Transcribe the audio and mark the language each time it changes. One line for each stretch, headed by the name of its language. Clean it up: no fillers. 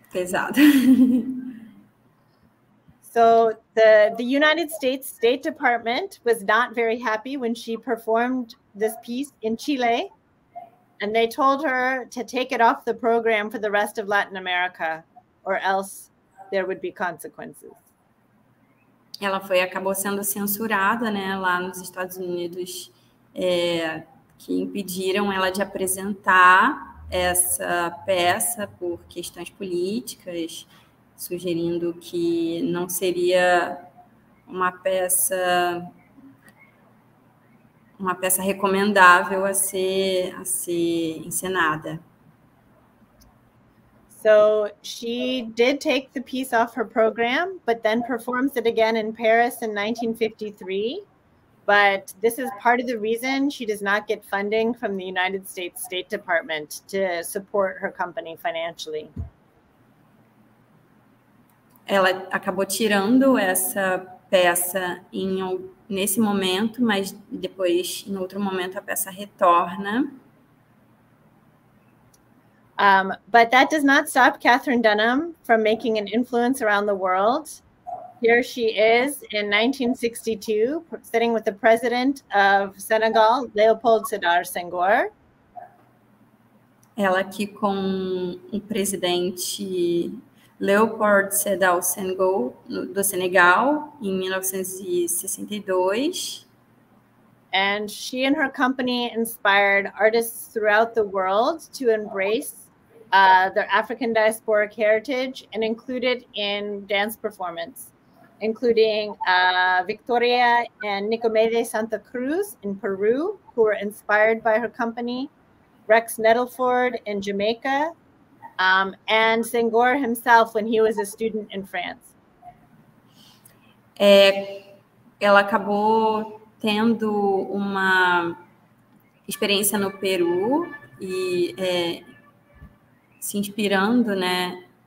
English: So the United States State Department was not very happy when she performed this piece in Chile, and they told her to take it off the program for the rest of Latin America, or else there would be consequences.
Portuguese: Ela foi, acabou sendo censurada, né, lá nos Estados Unidos, que impediram ela de apresentar essa peça por questões políticas, sugerindo que não seria uma peça recomendável a ser encenada.
English: So she did take the piece off her program, but then performs it again in Paris in 1953. But this is part of the reason she does not get funding from the United States State Department to support her company financially.
Portuguese: Ela acabou tirando essa peça nesse momento, mas depois, em outro momento, a peça retorna.
English: But that does not stop Catherine Dunham from making an influence around the world. Here she is in 1962, sitting with the president of Senegal, Leopold Sédar Senghor.
Portuguese: Ela aqui com o presidente Leopold Sédar Senghor do Senegal em 1962.
English: And she and her company inspired artists throughout the world to embrace their African diasporic heritage and include it in dance performance, including Victoria and Nicomedes Santa Cruz in Peru, who were inspired by her company, Rex Nettleford in Jamaica, And Senghor himself when he was a student in France.
Portuguese: É, ela acabou tendo uma experiência no Peru e é, se inspirando, né?